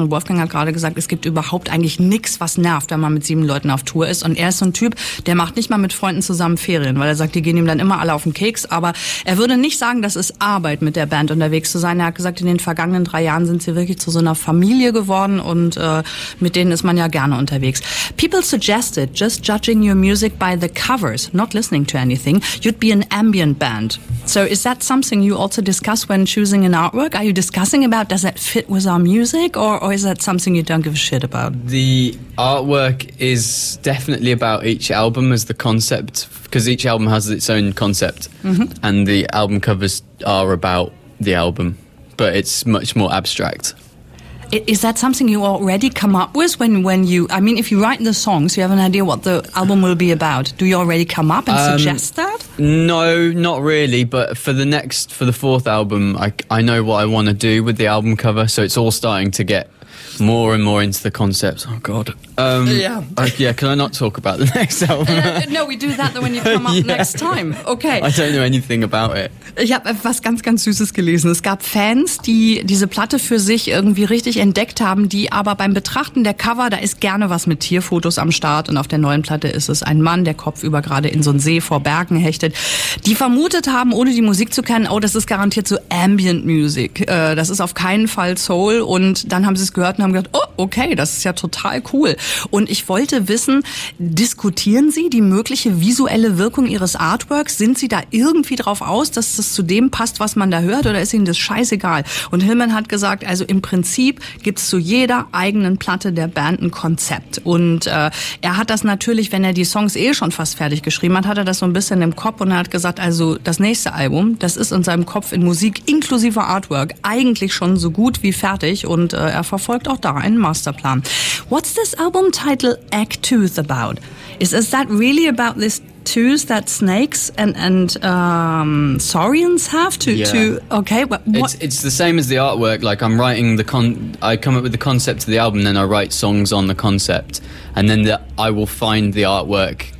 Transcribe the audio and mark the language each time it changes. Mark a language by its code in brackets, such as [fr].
[de] Und Wolfgang hat gerade gesagt, es gibt überhaupt eigentlich nichts, was nervt, wenn man mit 7 Leuten auf Tour ist. Und er ist so ein Typ, der macht nicht mal mit Freunden zusammen Ferien, weil er sagt, die gehen ihm dann immer alle auf den Keks. Aber er würde nicht sagen, das ist Arbeit, mit der Band unterwegs zu sein. Er hat gesagt, in den vergangenen 3 Jahren sind sie wirklich zu so einer Familie geworden und mit denen ist man ja gerne unterwegs. [en] People suggested just judging your music by the covers, not listening to anything, you'd be an ambient band. So is that something you also discuss when choosing an artwork? Are you discussing about, does that fit with our music, or is that something you don't give a shit about? The artwork is definitely about each album as the concept, because each album has its own concept, mm-hmm. and the album covers are about the album, but it's much more abstract. Is that something you already come up with when if you write the songs, you have an idea what the album will be about? Do you already come up and suggest that? No, not really. But for the fourth album, I know what I want to do with the album cover. So it's all starting to get more and more into the concepts. Oh, God. Can I not talk about the next album? No, we do that when you come up next time. Okay. I don't know anything about it. [de] Ich habe etwas ganz, ganz Süßes gelesen. Es gab Fans, die diese Platte für sich irgendwie richtig entdeckt haben, die aber beim Betrachten der Cover, da ist gerne was mit Tierfotos am Start und auf der neuen Platte ist es ein Mann, der kopfüber gerade in so einen See vor Bergen hechtet, die vermutet haben, ohne die Musik zu kennen, oh, das ist garantiert so Ambient-Music. Das ist auf keinen Fall Soul. Und dann haben sie es gehört und und haben gedacht, oh, okay, das ist ja total cool. Und ich wollte wissen, diskutieren Sie die mögliche visuelle Wirkung Ihres Artworks? Sind Sie da irgendwie drauf aus, dass das zu dem passt, was man da hört, oder ist Ihnen das scheißegal? Und Hillman hat gesagt, also im Prinzip gibt es zu jeder eigenen Platte der Band ein Konzept. Und er hat das natürlich, wenn er die Songs eh schon fast fertig geschrieben hat, hat er das so ein bisschen im Kopf, und er hat gesagt, also das nächste Album, das ist in seinem Kopf in Musik inklusive Artwork eigentlich schon so gut wie fertig, und er verfolgt auch da einen Masterplan. [en] What's this album title Act Tooth about? Is that really about this tooth that snakes and saurians have to, yeah, to, okay, what? It's the same as the artwork. Like, I'm writing the I come up with the concept of the album, then I write songs on the concept, and then I will find the artwork.